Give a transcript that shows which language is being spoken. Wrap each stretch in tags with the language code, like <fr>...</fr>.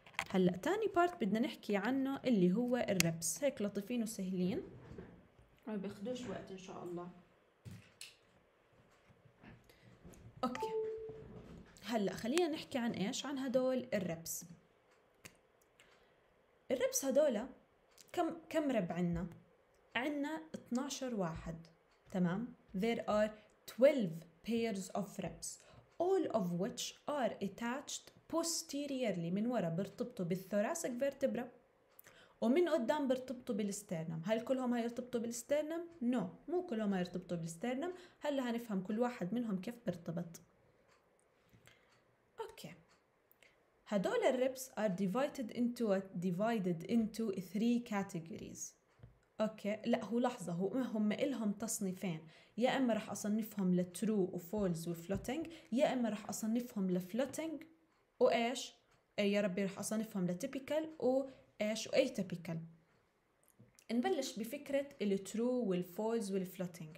<ar>هلا تاني بارت بدنا نحكي عنه اللي هو الريبس. هيك لطيفين وسهلين، ما بياخذوش وقت ان شاء الله. اوكي، هلا خلينا نحكي عن ايش، عن هدول الريبس. الريبس هدول كم رب عندنا؟ عندنا 12 واحد، تمام؟</ar> <en>There are 12 pairs of ribs, all of which are attached posteriorly.</en> <ar>من ورا بيرتبطوا بالثوراسك فيرتبرا، ومن قدام بيرتبطوا بالسترنم. هل كلهم هيرتبطوا بالسترنم؟ نو، مو كلهم هيرتبطوا بالسترنم. هلا هنفهم كل واحد منهم كيف بيرتبط. اوكي، هدول الريبس</ar> <en>are divided into three categories.</en> <ar>اوكي، لا هو لحظه، هم لهم تصنيفين، يا اما راح اصنفهم لترو وفولز وفلوتينج، يا اما راح اصنفهم لفلوتينج وايش، يا ربي راح اصنفهم لتيبيكال وايش واي تيبيكال. نبلش بفكره الترو والفولز والفلوتينج.</ar>